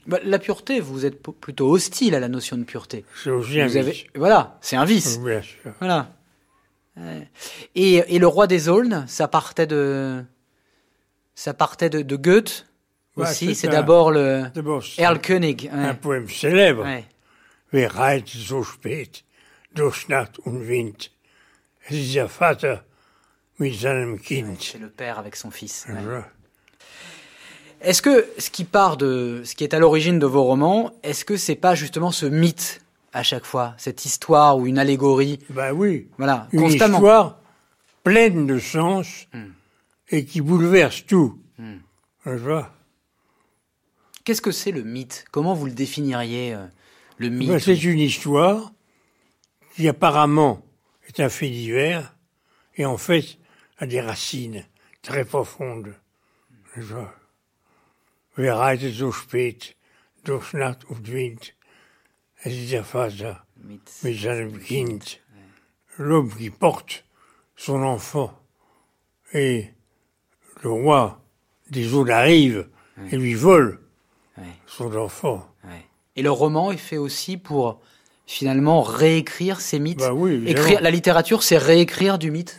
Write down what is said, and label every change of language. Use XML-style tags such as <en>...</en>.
<fr>Bah, la pureté, vous êtes plutôt hostile à la notion de pureté. C'est aussi un vice. Voilà, c'est un vice. Bien sûr. Voilà. Et le Roi des Aulnes, ça partait de... Ça partait de Goethe aussi. Ouais, c'est d'abord le... D'abord, c'est Erl König. Un poème célèbre. Ouais.</fr> <de>Wer reit so spät durch Nacht und Wind, dieser Vater mit seinem Kind.</de> <fr>Ouais, c'est le père avec son fils. Ouais. Je... Est-ce que ce qui est à l'origine de vos romans, est-ce que c'est pas justement ce mythe à chaque fois, cette histoire ou une allégorie ? Ben oui. Voilà, une constamment. Une histoire pleine de sens et qui bouleverse tout. Je vois. Qu'est-ce que c'est le mythe ? Comment vous le définiriez, le mythe ? Ben, c'est une histoire qui apparemment est un fait divers et en fait a des racines très profondes. Je vois.</fr> <de>Wer reitet so spät durch Nacht und Wind? Es ist der Vater mit seinem Kind.</de> <fr>L'homme qui porte son enfant. Et le roi des eaux arrive et lui vole son enfant. Et le roman est fait aussi pour, finalement, réécrire ces mythes. Bah oui, écrire, la littérature, c'est réécrire du mythe.</fr>